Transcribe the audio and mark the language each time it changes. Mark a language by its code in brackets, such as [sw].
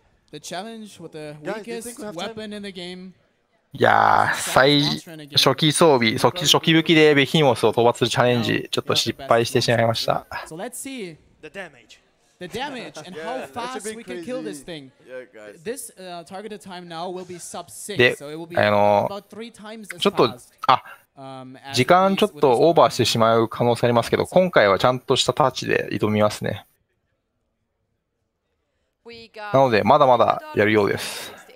[en] The challenge with the weakest weapon in the game. [ja] いやー、最初期装備、初期武器でベヒモスを討伐するチャレンジ、ちょっと失敗してしまいました。 [en] So let's see the damage. The damage and how fast we can kill this thing. This targeted time now will be sub 6. So it will be about 3 times as fast. [ja] あ、時間ちょっとオーバーしてしまう可能性ありますけど、今回はちゃんとしたタッチで挑みますね。なので、まだまだやるようです。